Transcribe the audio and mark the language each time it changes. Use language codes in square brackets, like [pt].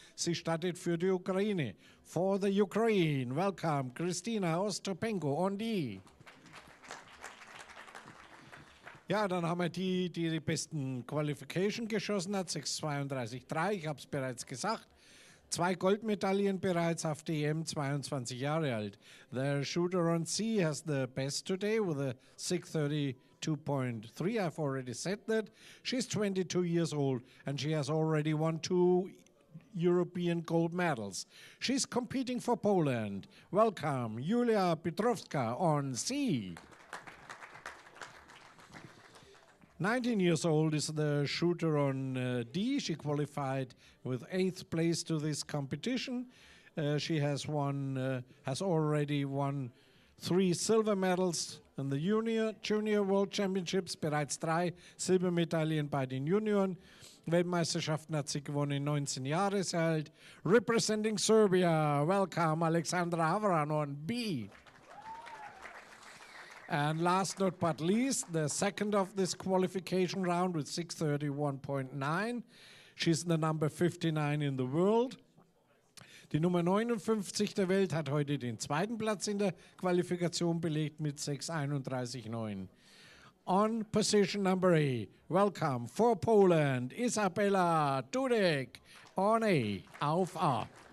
[de] Sie startet für die Ukraine. [en] For the Ukraine, welcome Christina Ostapenko on D. [de] Ja, dann haben wir die, die die besten Qualification geschossen hat, 632,3, ich habe es bereits gesagt. Zwei Goldmedaillen bereits auf DM, 22 Jahre alt. [en] The shooter on C has the best today with a 632.3. I've already said that. She's 22 years old and she has already won two European gold medals. She's competing for Poland. Welcome, Julia Petrovska on C. 19 years old is the shooter on D. She qualified with 8th place to this competition. She has already won 3 Silver Medals in the Junior World Championships, [de] bereits 3 Silbermedaillen bei den Junioren. Weltmeisterschaften hat sie gewonnen, 19 Jahre alt. [en] Representing Serbia, welcome Alexandra Havranon B. And last not but least, the second of this qualification round with 631.9. She's the number 59 in the world. [de] Die Nummer 59 der Welt hat heute den zweiten Platz in der Qualifikation belegt mit 631.9. [en] On position number A, welcome for Poland, Isabella Dudek, on A, [de] auf A.